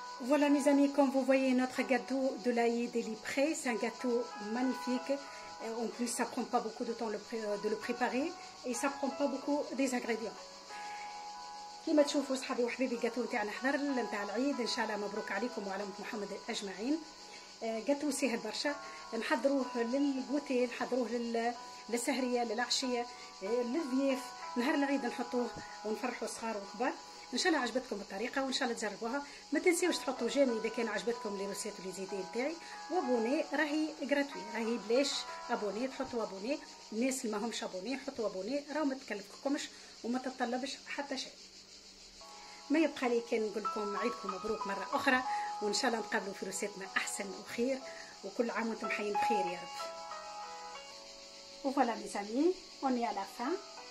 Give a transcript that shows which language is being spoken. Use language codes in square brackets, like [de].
[fr] Voilà mes amis, comme vous voyez, notre gâteau de l'Aïd est prêt. C'est un gâteau magnifique. En plus, ça ne prend pas beaucoup de temps de le préparer et ça ne prend pas beaucoup des ingrédients. [ar] كما تشوفوا صحابي وحبيبي الجاتو نتاعنا حضر نتاع العيد، ان شاء الله مبروك عليكم وعلى محمد اجمعين. جاتو سهل برشا، نحضروه للغوتيل، نحضروه للسهريه للعشيه للضيف، نهار العيد نحطوه ونفرحوا الصغار والكبار. ان شاء الله عجبتكم الطريقه وان شاء الله تجربوها. ما تنسيوش تحطوا جيمي اذا كان عجبتكم لي روسيت لي زيدي نتاعي، وابوني راهي غراتوي راهي بلاش ابوني، تحطوا ابوني. الناس اللي ماهمش ابوني حطوا ابوني، راهو ما تكلفكمش وما تتطلبش حتى شيء. ما يبقى لي كان نقول لكم عيدكم مبروك مره اخرى، وان شاء الله نتقابلوا في روسيتنا احسن وخير، وكل عام وانتم حيين بخير يا رب. [fr] وفوالا ميز امي، اوني على فان. J'espère que vous avez aimé ma façon de le préparer ce gâteau.